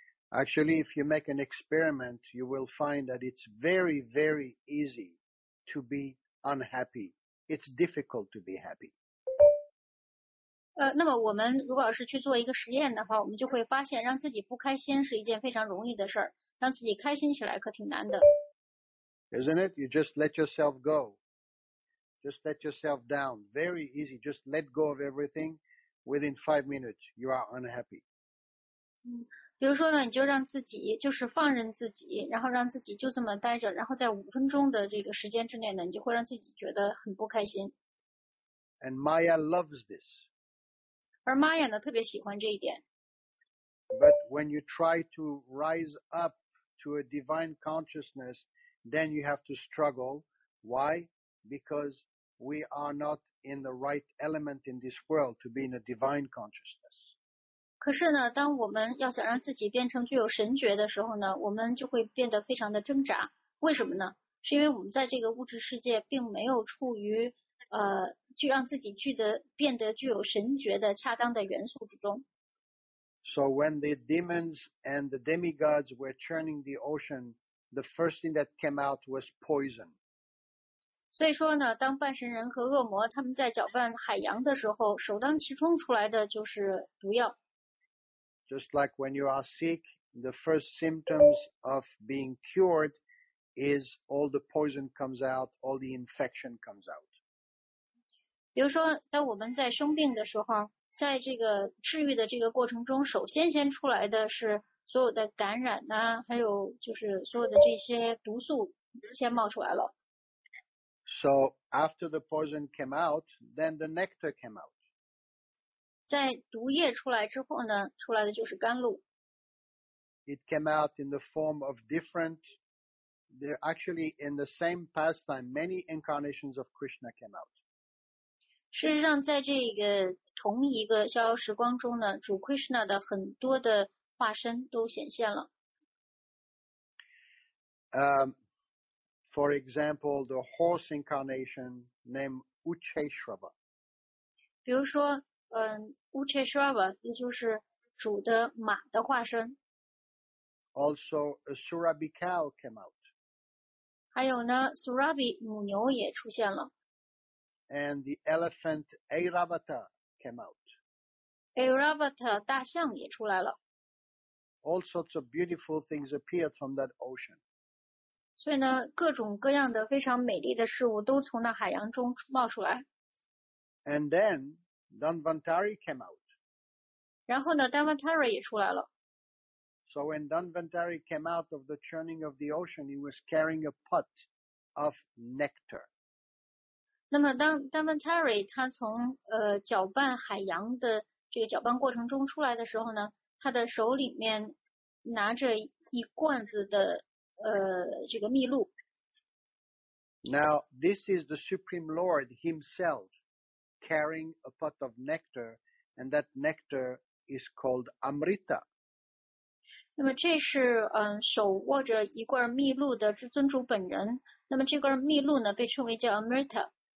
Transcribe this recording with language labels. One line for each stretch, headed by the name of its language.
English: Actually, if you make an experiment, you will find that it's very, very easy to be unhappy. It's difficult to be happy.
Chinese: 那么我们如果要是去做一个实验的话，我们就会发现让自己不开心是一件非常容易的事儿，让自己开心起来可挺难的。
English: Isn't it? You just let yourself go. Just let yourself down. Very easy. Just let go of everything. Within 5 minutes, you are unhappy.
Chinese: 比如说呢，你就让自己就是放任自己，然后让自己就这么待着，然后在五分钟的这个时间之内呢，你就会让自己觉得很不开心。
English: And Maya loves this.
Chinese: 而 Maya 呢，特别喜欢这一点。
English: But when you try to rise up to a divine consciousness, then you have to struggle. Why? Because we are not in the right element in this world to be in a divine consciousness.
Chinese: 可是呢，当我们要想让自己变成具有神觉的时候呢，我们就会变得非常的挣扎。为什么呢？是因为我们在这个物质世界并没有处于去让自己变得具有神觉的恰当的元素之中。
English: So when the demons and the demigods were churning the ocean, the first thing that came out was poison.
Chinese: 所以说呢，当半神人和恶魔他们在搅拌海洋的时候，首当其冲出来的就是毒药。
English: Just like when you are sick, the first symptoms of being cured is all the poison comes out, all the infection comes out.
Chinese: 比如说，当我们在生病的时候，在这个治愈的这个过程中，首先先出来的是所有的感染啊，还有就是所有的这些毒素先冒出来了。
English: So after the poison came out, then the nectar came out.
Chinese: 在毒液出来之后呢，出来的就是甘露。
English: It came out in the form of different, they're actually in the same pastime, many incarnations of Krishna came out.
Chinese: 事实上在这个同一个逍遥时光中呢，主 Krishna 的很多的化身都显现了。
English: For example, the horse incarnation named Ucheshrava.
Chinese: 比如说Ucheshrava, 也就是主的马的化身。
English: Also, a Surabhi cow came out.
Chinese: 还有呢 ,Surabhi 母牛也出现了。
English: And the elephant Airavata came out.
Chinese: Airavata 大象也出来了。
English: All sorts of beautiful things appeared from that ocean.
Chinese: 所以呢各种各样的非常美丽的事物都从那海洋中冒出来。
English: And then,Dhanvantari came out.
Chinese: 然后呢 Dhanvantari 也出来了。
English: So when Dhanvantari came out of the churning of the ocean, he was carrying a pot of nectar.
Chinese: 那么当 Damantari 他从搅拌海洋的这个搅拌过程中出来的时候呢，他的手里面拿着一罐子的这个蜜露。
English: Now, this is the Supreme Lord himself carrying a pot of nectar, and that nectar is called Amrita.
Chinese: 那么这是手握着一罐蜜露的至尊主本人，那么这罐蜜露呢被称为叫 Amrita。